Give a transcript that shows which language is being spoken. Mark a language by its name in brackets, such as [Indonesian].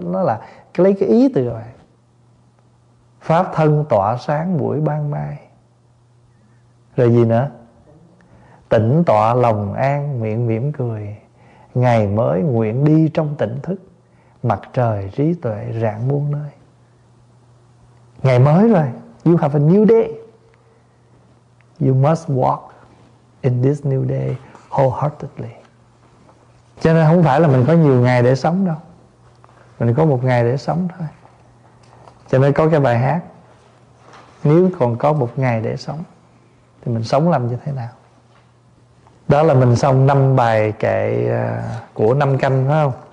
[Vietnamese] Nó là lấy cái ý từ rồi. Pháp thân tỏa sáng buổi ban mai. Rồi gì nữa? tỉnh tọa lòng an, miệng mỉm cười. Ngày mới nguyện đi trong tỉnh thức, mặt trời trí tuệ rạng muôn nơi. Ngày mới rồi, [English] you have a new day. You must walk in this new day wholeheartedly. [Vietnamese] Cho nên không phải là mình có nhiều ngày để sống đâu. Mình có một ngày để sống thôi. Cho nên có cái bài hát: nếu còn có một ngày để sống thì mình sống làm như thế nào. Đó là mình xong 5 bài kệ của 5 canh, phải không?